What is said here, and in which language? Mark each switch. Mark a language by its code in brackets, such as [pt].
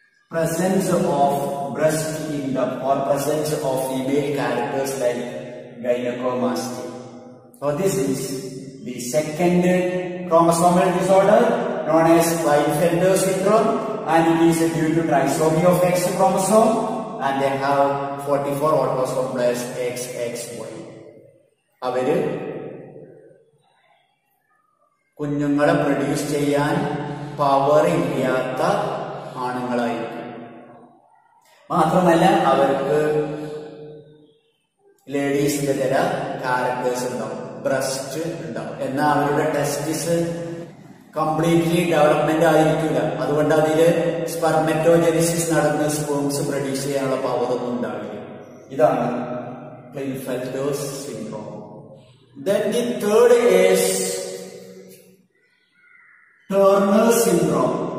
[en] Presence of breast in the or presence of female characters like gynecomastia. So this is the second chromosomal disorder known as Klinefelter syndrome, and it is due to trisomy of X chromosome, and they have 44 autosomes XXY. [ml] അവര് കുഞ്ഞുങ്ങളെ produce ചെയ്യാൻ power ഇല്ലാത്ത ആണുങ്ങളായിരിക്കും. മാത്രമല്ല അവർക്ക് ലേഡീസിന്റെ ചില characters ഉണ്ടാവും, breast ഉണ്ടാവും. എന്നാൽ അവരുടെ ടെസ്റ്റിസ് കംപ്ലീറ്റ്ലി ഡെവലപ്മെന്റ് ആയിരിക്കില്ല, അതുകൊണ്ട് അതിൽ സ്പെർമറ്റോജെനിസിസ് നടന്ന് സ്പെർംസ് പ്രൊഡ്യൂസ് ചെയ്യാനുള്ള പവർ ഒന്നും ഉണ്ടാവില്ല. ഇതാണ് [en] Klinefelter's syndrome. Then the third is Turner syndrome.